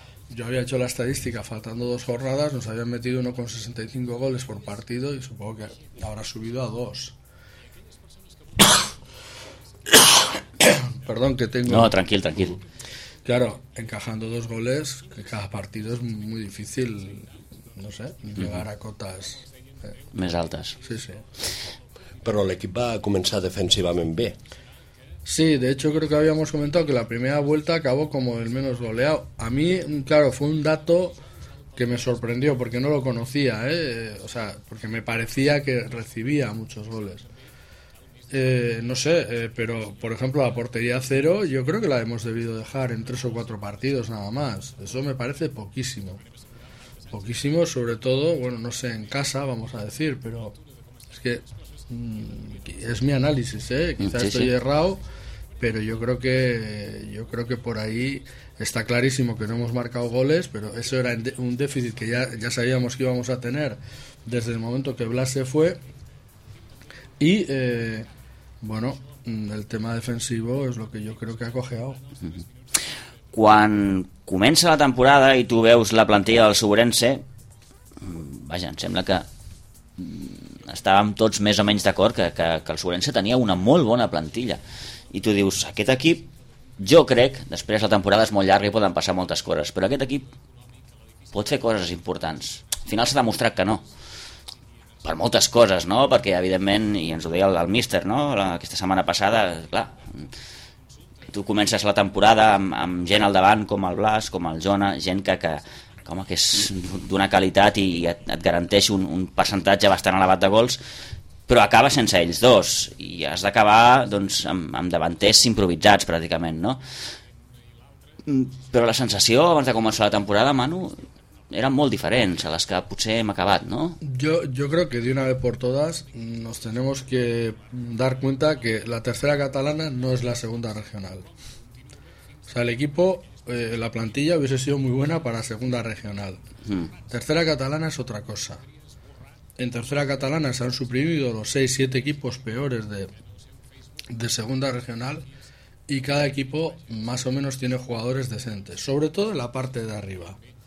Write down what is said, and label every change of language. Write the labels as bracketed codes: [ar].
[es] Yo había hecho la estadística, faltando 2 jornadas, nos habían metido 1,65 goles por partido y supongo que habrá subido a 2. Perdón, que tengo... No, tranquilo. Claro, encajando 2 goles, que cada partido es muy difícil, no sé, llegar a cotas... [ca] Més altes. Sí. Però l'equip va començar defensivament bé. [es] Sí, de hecho creo que habíamos comentado que la primera vuelta acabó como el menos goleado. A mí, claro, fue un dato que me sorprendió porque no lo conocía, o sea, porque me parecía que recibía muchos goles. Pero por ejemplo la portería cero, yo creo que la hemos debido dejar en 3 o 4 partidos nada más. Eso me parece poquísimo, sobre todo, bueno, no sé, en casa, vamos a decir, pero es que es mi análisis, quizás sí, estoy errado, pero yo creo que por ahí está clarísimo que no hemos marcado goles, pero eso era un déficit que ya sabíamos que íbamos a tener desde el momento que Blas se fue. Y bueno, el tema defensivo es lo que yo creo que ha cojeado. [ca] Quan comença la temporada i tu veus la plantilla del Sobrense, vaja, em sembla que estàvem tots més o menys d'acord que el Sobrense tenia una molt bona plantilla, i tu dius, aquest equip, jo crec, després la temporada és molt llarga i poden passar moltes coses, però aquest equip pot fer coses importants. Al final s'ha demostrat que no, per moltes coses, no? Perquè evidentment, i ens ho deia el míster, no? Aquesta setmana passada, clar, tu comences la temporada amb gent al davant com el Blas, com el Jona, gent que és d'una qualitat i et garanteix un percentatge bastant elevat de gols, però acaba sense ells dos i has d'acabar doncs amb davanters improvisats pràcticament, no? Però la sensació abans de començar la temporada, Manu, eren molt diferents a les que potser hem acabat, no? [es] Yo creo que de una vez por todas nos tenemos que dar cuenta que la tercera catalana no es la segunda regional. O sea, el equipo, la plantilla hubiese sido muy buena para segunda regional. Tercera catalana es otra cosa. En tercera catalana se han suprimido los 6-7 equipos peores de segunda regional y cada equipo más o menos tiene jugadores decentes, sobre todo en la parte de arriba.